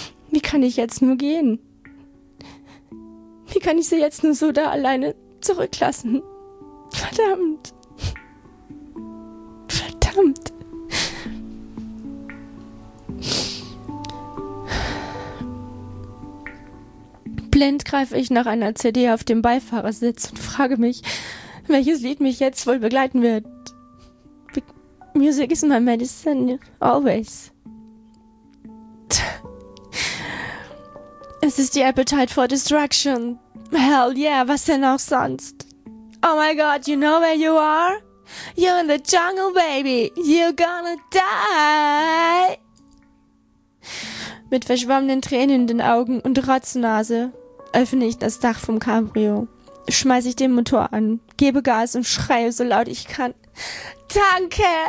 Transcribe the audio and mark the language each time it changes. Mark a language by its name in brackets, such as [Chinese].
[German] Wie kann ich jetzt nur gehen? Wie kann ich sie jetzt nur so da alleine zurücklassen? Verdammt. Verdammt. Blind greife ich nach einer CD auf dem Beifahrersitz und frage mich, welches Lied mich jetzt wohl begleiten wird. [English] Music is my medicine, always. [German] Es ist die Appetite for Destruction. [English] Hell yeah, [German] was denn auch sonst? [English] Oh my god, you know where you are? You're in the jungle, baby. You're gonna die. [German] Mit verschwommenen Tränen in den Augen und Rotznase öffne ich das Dach vom Cabrio, schmeiße ich den Motor an, gebe Gas und schreie so laut ich kann. Danke!